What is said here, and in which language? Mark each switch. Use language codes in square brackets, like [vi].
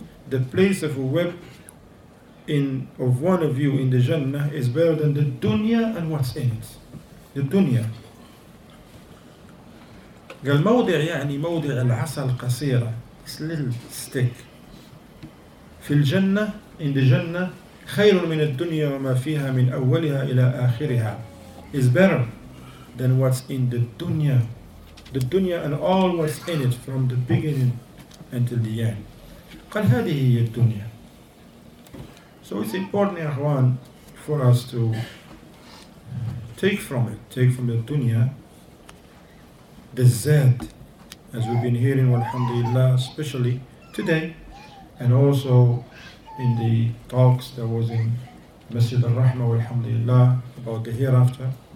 [en] The place of a whip in of one of you in the Jannah is better than the dunya and what's in it. The dunya. [ar] قال موضع يعني موضع العصا القصيرة, [en] it's a little stick. [ar] في الجنة, [en] in the Jannah, [ar] خير من الدنيا وما فيها من أولها إلى آخرها. [en] is better than what's in the dunya. The dunya and all what's in it from the beginning until the end. [ar] قَدْ هَذِهِ الدُّنْيَا. [en] So it's important, Ikhwan, for us to take from it, take from the dunya, the zad, as we've been hearing, alhamdulillah, especially today, and also in the talks that was in Masjid al-Rahma, alhamdulillah, about the hereafter.